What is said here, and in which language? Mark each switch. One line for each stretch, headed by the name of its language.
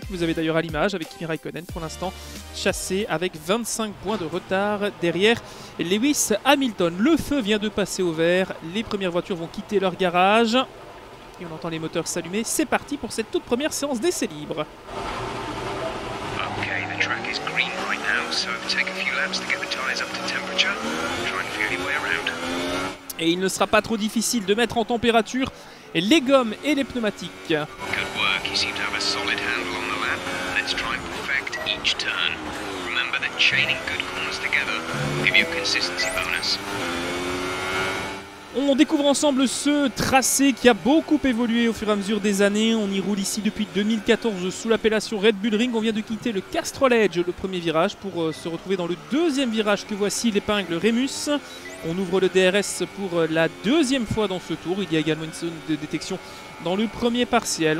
French: Vous avez d'ailleurs à l'image avec Kimi Raikkonen pour l'instant chassé avec 25 points de retard derrière Lewis Hamilton. Le feu vient de passer au vert. Les premières voitures vont quitter leur garage. Et on entend les moteurs s'allumer. C'est parti pour cette toute première séance d'essai libre.
English: Okay, the track is green right now, so take a few laps to get the tires up to temperature. Try and feel your way around.
French: Et il ne sera pas trop difficile de mettre en température les gommes et les pneumatiques.
English: Good work. You seem to have a solid handle on the lap. Let's try and perfect each turn. Remember that chaining good corners together give you a consistency bonus.
French: On découvre ensemble ce tracé qui a beaucoup évolué au fur et à mesure des années. On y roule ici depuis 2014 sous l'appellation Red Bull Ring. On vient de quitter le Castrol Edge, le premier virage, pour se retrouver dans le deuxième virage que voici, l'épingle Rémus. On ouvre le DRS pour la deuxième fois dans ce tour. Il y a également une zone de détection dans le premier partiel.